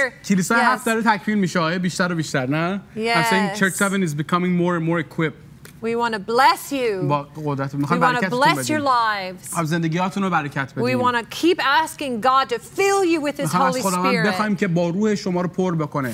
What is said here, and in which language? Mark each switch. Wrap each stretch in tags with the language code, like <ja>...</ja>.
<fa>کلیسا هفت داره تکمیل میشه، بیشتر و بیشتر، نه؟</fa> <en>Yes. I'm saying Church 7 is becoming more and more equipped. We want to bless you. We want to bless your lives. We want to keep asking God to fill you with His Holy Spirit.</en> <fa>خداوند بخوایم که با روح شما رو پر بکنه.</fa>